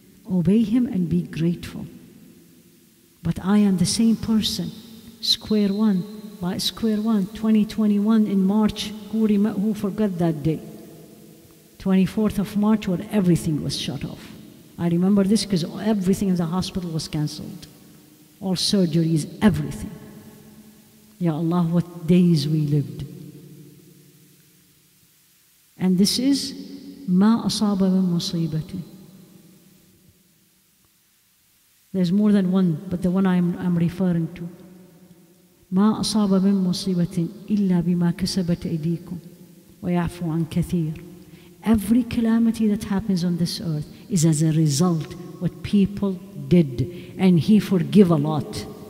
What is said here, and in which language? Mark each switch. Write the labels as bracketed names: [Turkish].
[English] Obey him and be grateful. But I am the same person, square one, by square one, 2021 in March, who forgot that day? 24th of March, where everything was shut off. I remember this because everything in the hospital was canceled. All surgeries, everything. Ya Allah, what days we lived. And this is [Arabic] ما أصاب من مصيبة. [English] There's more than one, but the one I'm referring to. [Arabic] ما أصاب من مصيبة إلا بما كسبت أيديكم ويعفو عن كثير. [English] Every calamity that happens on this earth is as a result what people did, and he forgive a lot.